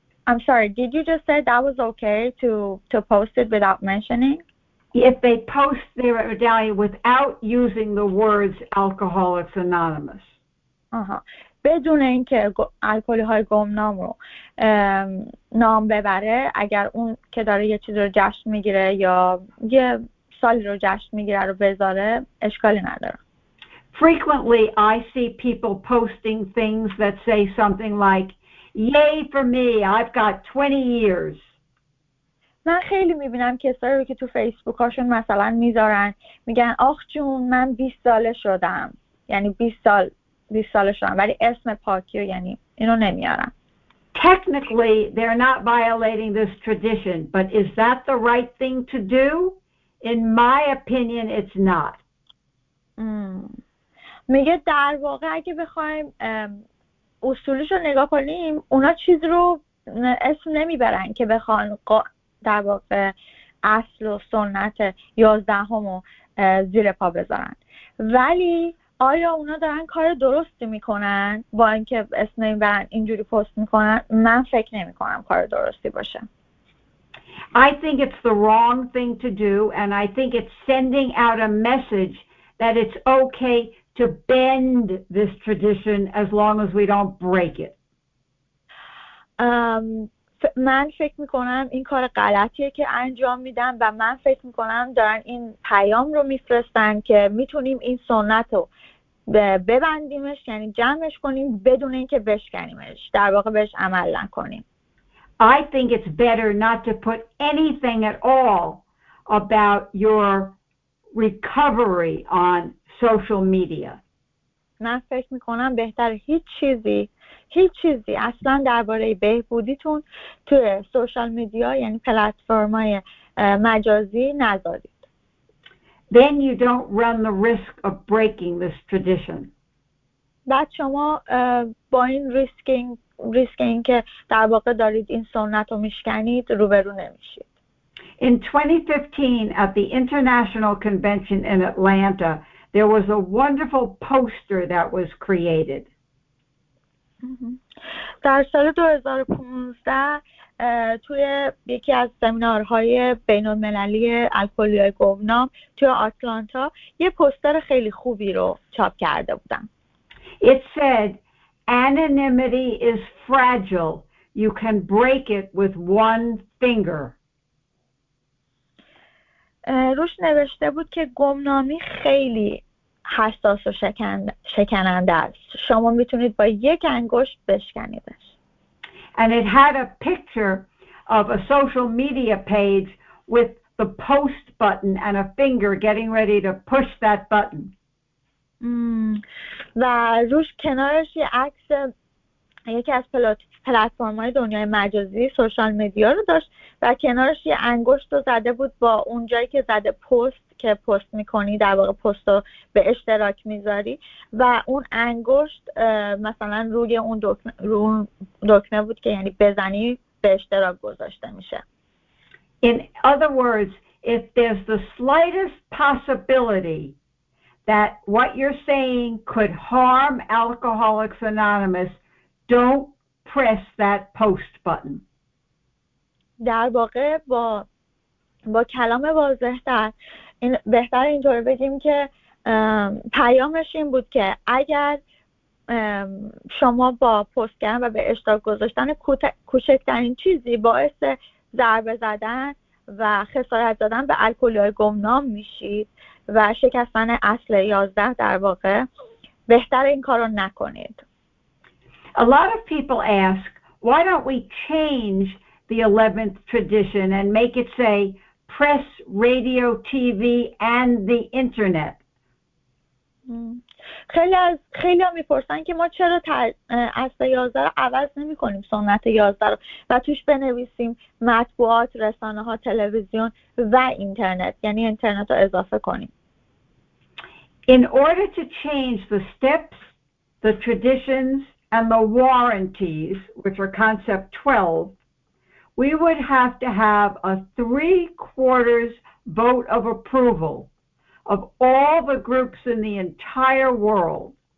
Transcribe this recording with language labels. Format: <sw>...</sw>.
<en>I'm sorry, did you just say that was okay to post it without mentioning? If they post their medallion without using the words Alcoholics Anonymous.</en> <fa>بدون اینکه الکلی های گمنام رو نام ببره، اگر اون که داره یه چیز رو جشن میگیره یا یه سالی رو جشن میگیره رو بذاره، اشکالی نداره.</fa> <en>Frequently, I see people posting things that say something like, "Yay for me! I've got 20 years."</en> <fa>من خیلی میبینم کسایی رو که تو فیسبوک هاشون مثلا میذارن میگن آخ جون من 20 ساله شدم یعنی 20 ساله شدم ولی اسم پاکی رو یعنی اینو نمیارن.</fa> <en>Technically, they're not violating this tradition, but is that the right thing to do? In my opinion, it's not.</en> <fa>میگه در واقع اگه بخوایم اصولش رو نگاه کنیم اونا چیز رو اسم نمیبرن که بخوان در واقع اصل و سنت 11 زیر پا بذارن ولی آیا اونا دارن کار درستی میکنن با اینکه اسم نمیبرن اینجوری پست میکنن من فکر نمیکنم کار درستی باشه.</fa> <en>I think it's the wrong thing to do and I think it's sending out a message that it's okay to bend this tradition as long as we don't break it.</en> <fa>من فکر میکنم این کار غلطیه که انجام میدن و من فکر میکنم دارن این پیام رو میفرستن که میتونیم این سنت رو ببندیمش یعنی جمعش کنیم بدون اینکه بشکنیمش در واقع بهش عمل نکنیم.</fa> <en>I think it's better not to put anything at all about your recovery on social media.</en> <fa>من فکر میکنم بهتر هیچ چیزی اصلا درباره بهبودیتون توی سوشال میدیا یعنی پلتفرم‌های مجازی نذارید.</fa> <en>Then you don't run the risk of breaking this tradition.</en> <fa>بعد شما با این ریسک این که در واقع دارید این سنت رو میشکنید روبرو نمیشید.</fa> <en>In 2015 at the International Convention in Atlanta, there was a wonderful poster that was created.</en> <fa>در سال 2015 توی یکی از سمینارهای بین‌المللی الکلی گوونام توی آتلانتا یه پوستر خیلی خوبی رو چاپ کرده بودن.</fa> <en>It said anonymity is fragile. You can break it with one finger.</en> <fa>روش نوشته بود که گمنامی خیلی حساس و شکننده است. شما میتونید با یک انگشت بشکنیدش.</fa> <en>And it had a picture of a social media page with the post button and a finger getting ready to push that button.</en> <fa>و روش کنارش یه عکس یکی از پلتفرم‌های دنیای مجازی سوشال مدیا رو داشت و کنارش یه انگشت رو زده بود با اون جایی که زده پست که پست می‌کنی در واقع پست رو به اشتراک می‌ذاری و اون انگشت مثلا روی اون دکمه بود که یعنی بزنی به اشتراک گذاشته میشه.</fa> <en>In other words, if there's the slightest possibility that what you're saying could harm Alcoholics Anonymous, don't press that post button.</en> <fa>در واقع با کلام واضح‌تر این بهتر اینطور بگیم که پیامش این بود که اگر شما با پست کردن و به اشتراک گذاشتن کوچکترین چیزی باعث ضربه زدن و خسارت دادن به الکلی‌های گمنام میشید و شکستن اصل 11 در واقع بهتر این کارو نکنید.</fa> <en>A lot of people ask, why don't we change the 11th tradition and make it say press, radio, TV and the internet?</en> <fa>خیلی‌ها میپرسن که ما چرا اصل 11 رو عوض نمی‌کنیم سنت 11 رو و توش بنویسیم مطبوعات، رسانه‌ها، تلویزیون و اینترنت یعنی اینترنت رو اضافه کنیم.</fa> <en>In order to change the steps, the traditions, and the warranties, which are concept 12, we would have to have a 3/4 vote of approval of all the groups in the entire world.</en>